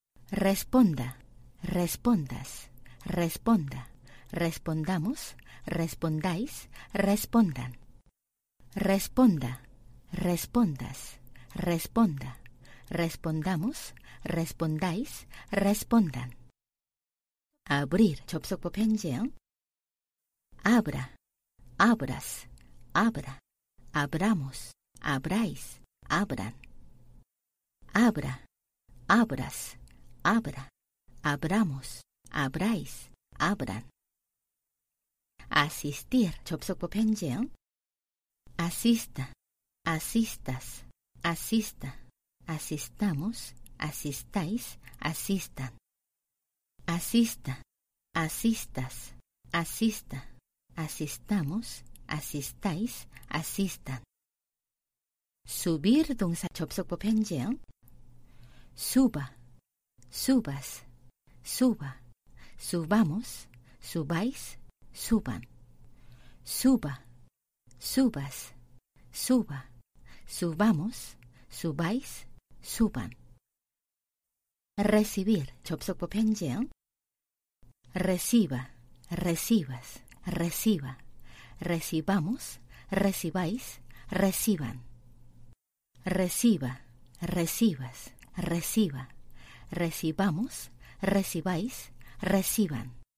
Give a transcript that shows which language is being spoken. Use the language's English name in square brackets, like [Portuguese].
[Spanish] Responda, respondas, responda, respondamos, respondáis, respondan. Responda, respondas, responda, respondamos, respondáis, respondan. [Korean] Abrir, 접속법 현재형. [Spanish] Abra, abras, abra, abramos, abráis, abran. Abra, abras, abra, abramos, abráis, abran. [Korean] Asistir, 접속법 현재형. [Spanish] Asista, asistas, asista, asistamos, asistáis, asistan. Asista, asistas, asista, asistamos, asistáis, asistan. [Korean] Subir 동사 접속법 현재형. [Spanish] Suba, subas, suba, subamos, subáis, suban. Suba, subas, suba, subamos, subáis, suban. [Korean] Recibir, 접속법 현지형. [Spanish] Reciba, recibas, reciba, recibamos, recibáis, reciban. Reciba, recibas, reciba, recibamos, recibáis, reciban.